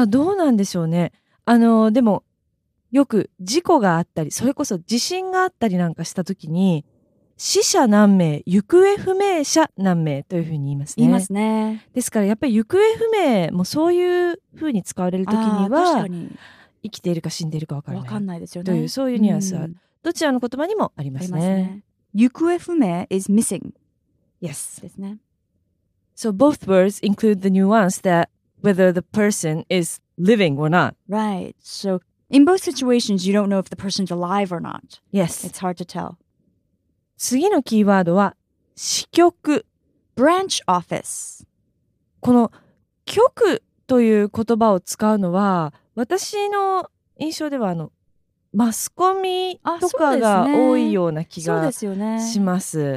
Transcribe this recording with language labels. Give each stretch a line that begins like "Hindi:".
Japanese: あどうなんでしょうねでもよく事故があったりそれこそ地震があったりなんかした時に死者何名行方不明者何名というふうに言いますね言いますねですからやっぱり行方不明もそういうふうに使われる時にはあ確かに生きているか死んでいるかわからないわかんないですよねというそういうニュアンスはどちらの言葉にもありますね、
English: 行方不明 is missing yes
Japanese: ですね
English: so both words include the nuance that whether the person is living or not right so in both situations you don't know if the person's alive or not yes it's hard to tell
Japanese: 次のキーワードは支局
English: branch office
Japanese: この局という言葉を使うのは私の印象ではマスコミとかが多いような気がします。